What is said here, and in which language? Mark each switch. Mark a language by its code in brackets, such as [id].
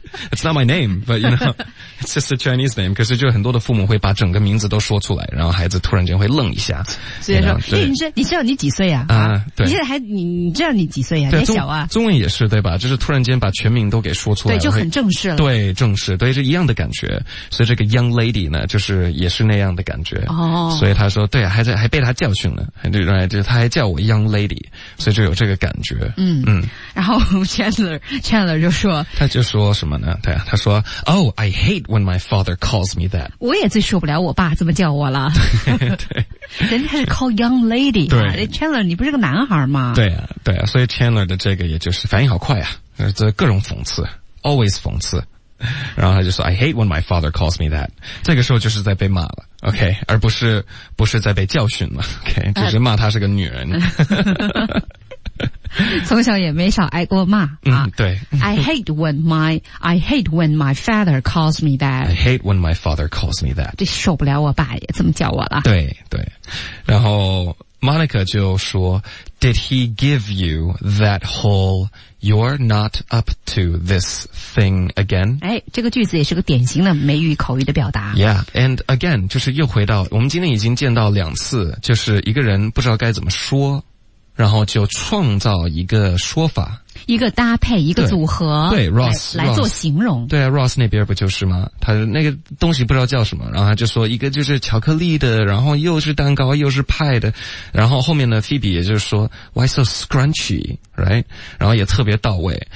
[en] It's not my name, but you know, it's just a Chinese name. [zh] 可是就很多的父母会把整个名字都说出来，然后孩子突然间会愣一下。所以说叶行政你知道你几岁啊，对。你现在还你知道你几岁啊，你还小啊。中文也是对吧，就是突然间把全名都给说出来。对，就很正式了。对，正式，对，是一样的感觉。所以这个 young lady 呢就是也是那样的感觉。哦、所以他说对啊，还被他教训了，他还叫我 young lady, 所以就有这个感觉。然后 Chandler 就说，他就说什么呢？对、啊，他说 ， [en] Oh, I hate when my father calls me that。 [zh] 我也最受不了我爸这么叫我了。对，人家是 call young lady。对、啊、，Chandler， 你不是个男孩吗？对啊，对啊，所以 Chandler 的这个也就是反应好快啊，这各种讽刺 ，always 讽刺。然后他就说 ， [en] I hate when my father calls me that。 [zh] 这个时候就是在被骂了。OK, 而不是在被教训了 ,OK, 就是骂她是个女人。从小也没少挨过骂、啊。嗯，对。 [en] I hate when my father calls me that. I hate when my father calls me that. [zh] 这受不了我爸也这么叫我了。对对。然后 [en] ,Monica [zh] 就说 [en] ,Did he give you that whole, you're not up to this thing again? [zh] 哎，这个句子也是个典型的美语口语的表达。 [en] Yeah, and again, [zh] 就是又回到我们今天已经见到两次，就是一个人不知道该怎么说。然后就创造一个说法，一个搭配，一个组合，对 Ross 来做形容。对啊 ，Ross 那边不就是吗？他那个东西不知道叫什么，然后他就说一个就是巧克力的，然后又是蛋糕又是派的，然后后面呢 ，Phoebe 也就是说 [en] Why so scrunchy, right? [zh] 然后也特别到位。